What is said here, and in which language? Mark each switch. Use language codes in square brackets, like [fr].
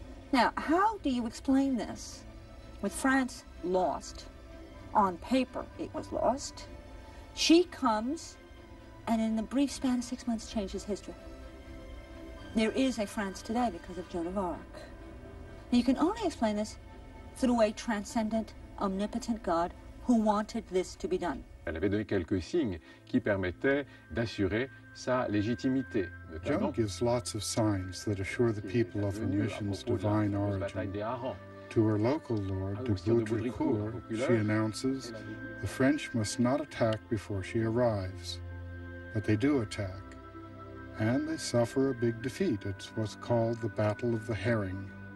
[en] Now, how do you explain this? With France lost, on paper it was lost, she comes and in the brief span of 6 months changes history. There is a France today because of Joan of Arc. Now you can only explain this through a transcendent, omnipotent God who wanted this to be done. [fr] Elle avait donné quelques signes qui permettaient d'assurer sa légitimité. [en] Joan gives lots of signs that assure the people of her mission's divine origin. To her local lord, de Baudricourt, she announces, the French must not attack before she arrives. But they do attack. And they suffer a big defeat. It's what's called the Battle of the Herring.